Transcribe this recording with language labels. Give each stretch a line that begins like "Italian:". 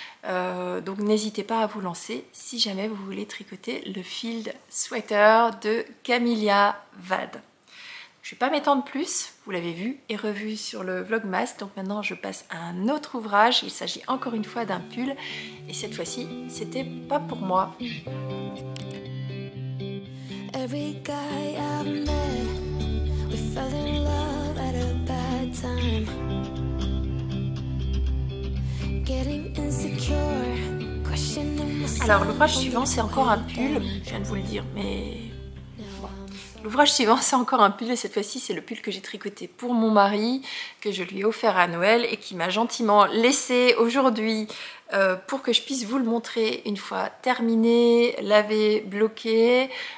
French: Donc n'hésitez pas à vous lancer si jamais vous voulez tricoter le Field Sweater de Camilla Vade. Je ne vais pas m'étendre plus, vous l'avez vu et revu sur le Vlogmas. Donc maintenant, je passe à un autre ouvrage. Il s'agit encore une fois d'un pull. Et cette fois-ci, c'était pas pour moi.
English: Every guy I met, we fell in love at a bad time. Getting insecure, questioning myself.
French: Alors, l'ouvrage suivant, c'est encore un pull, je viens de vous le dire, mais... L'ouvrage suivant, c'est encore un pull, et cette fois-ci, c'est le pull que j'ai tricoté pour mon mari, que je lui ai offert à Noël et qui m'a gentiment laissé aujourd'hui pour que je puisse vous le montrer une fois terminé, lavé, bloqué.